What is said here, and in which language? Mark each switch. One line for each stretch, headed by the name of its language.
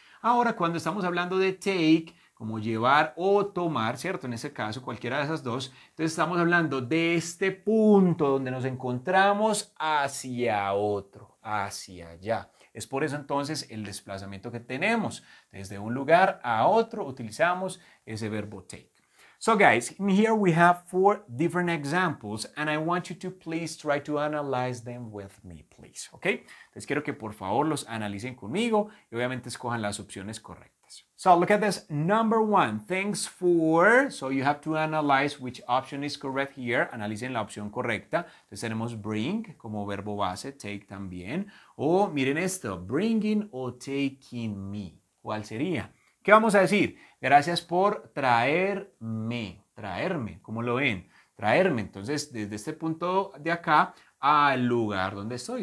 Spanish: Ahora, cuando estamos hablando de take, como llevar o tomar, ¿cierto? En ese caso, cualquiera de esas dos. Entonces, estamos hablando de este punto donde nos encontramos hacia otro, hacia allá. Es por eso, entonces, el desplazamiento que tenemos. Desde un lugar a otro, utilizamos ese verbo take.
English: So guys, in here we have four different examples and I want you to please try to analyze them with me, please. Okay?
Spanish: Entonces quiero que por favor los analicen conmigo y obviamente escojan las opciones correctas.
English: So look at this. Number one, thanks for. So you have to analyze which option is correct here.
Spanish: Analicen la opción correcta. Entonces tenemos bring como verbo base, take también. O miren esto, bringing o taking me. ¿Cuál sería? ¿Qué vamos a decir? Gracias por traerme, traerme, ¿cómo lo ven? Traerme, entonces, desde este punto de acá al lugar donde estoy.